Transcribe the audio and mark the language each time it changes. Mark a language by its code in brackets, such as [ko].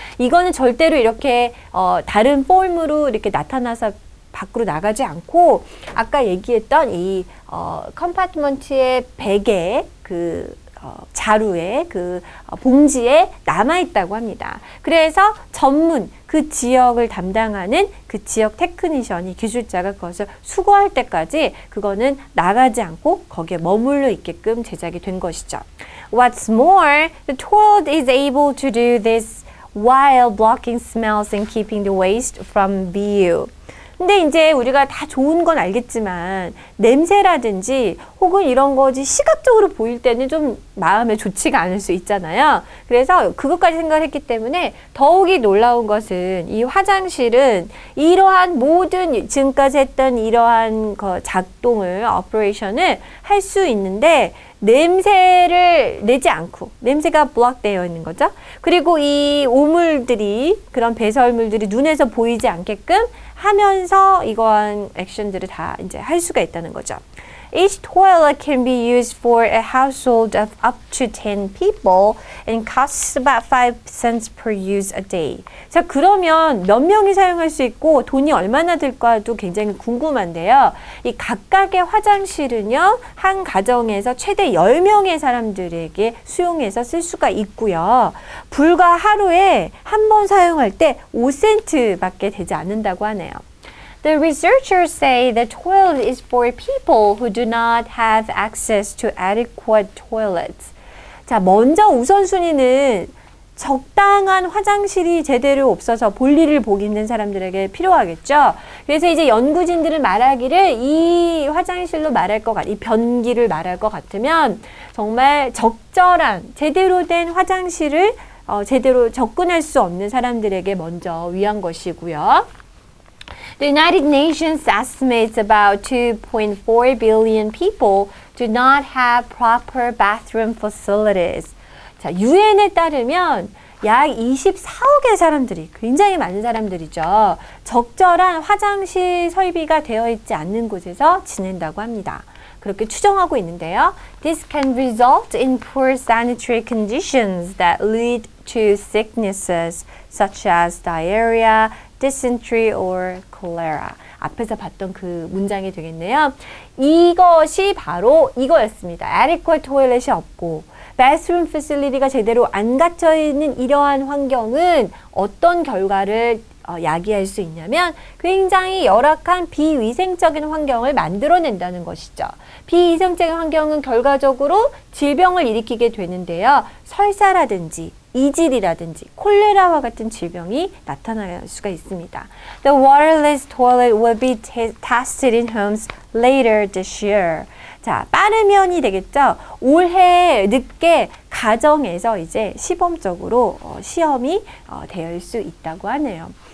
[ko] 이거는 절대로 이렇게 다른 폼으로 이렇게 나타나서 밖으로 나가지 않고 아까 얘기했던 이 컴파트먼트의 베개 그 자루에 그 봉지에 남아 있다고 합니다. 그래서 전문 그 지역을 담당하는 그 지역 테크니션이 기술자가 그것을 수거할 때까지 그거는 나가지 않고 거기에 머물러 있게끔 제작이 된 것이죠. [en] What's more, the toilet is able to do this while blocking smells and keeping the waste from view. [ko] 근데 이제 우리가 다 좋은 건 알겠지만 냄새라든지 혹은 이런 거지 시각적으로 보일 때는 좀 마음에 좋지가 않을 수 있잖아요. 그래서 그것까지 생각을 했기 때문에 더욱이 놀라운 것은 이 화장실은 이러한 모든 지금까지 했던 이러한 그 작동을 operation을 할 수 있는데 냄새를 내지 않고 냄새가 블록되어 있는 거죠. 그리고 이 오물들이 그런 배설물들이 눈에서 보이지 않게끔 하면서 이러한 액션들을 다 이제 할 수가 있다는 거죠. [en] Each toilet can be used for a household of up to 10 people and costs about 5 cents per use a day. [ko] 자, 그러면 몇 명이 사용할 수 있고 돈이 얼마나 들까도 굉장히 궁금한데요. 이 각각의 화장실은요, 한 가정에서 최대 10명의 사람들에게 수용해서 쓸 수가 있고요. 불과 하루에 한 번 사용할 때 5센트밖에 되지 않는다고 하네요. [en] The researchers say the toilet is for people who do not have access to adequate toilets. [ko] 자, 먼저 우선순위는 적당한 화장실이 제대로 없어서 볼일을 보고 있는 사람들에게 필요하겠죠. 그래서 이제 연구진들은 말하기를 이 화장실로 말할 것 같, 이 변기를 말할 것 같으면 정말 적절한 제대로 된 화장실을 제대로 접근할 수 없는 사람들에게 먼저 위한 것이고요. [en] The United Nations estimates about 2.4 billion people do not have proper bathroom facilities. [ko] 자, UN에 따르면 약 24억의 사람들이 굉장히 많은 사람들이죠. 적절한 화장실 설비가 되어 있지 않는 곳에서 지낸다고 합니다. 그렇게 추정하고 있는데요. [en] This can result in poor sanitary conditions that lead to sicknesses such as diarrhea, dysentery or cholera. [ko] 앞에서 봤던 그 문장이 되겠네요. 이것이 바로 이거였습니다. Adequate toilet이 없고 bathroom facility가 제대로 안 갖춰 있는 이러한 환경은 어떤 결과를 야기할 수 있냐면 굉장히 열악한 비위생적인 환경을 만들어낸다는 것이죠. 비위생적인 환경은 결과적으로 질병을 일으키게 되는데요. 설사라든지 이질이라든지 콜레라와 같은 질병이 나타날 수가 있습니다. [en] The waterless toilet will be tested in homes later this year. [ko] 자, 빠르면이 되겠죠? 올해 늦게 가정에서 이제 시범적으로 시험이 될 수 있다고 하네요.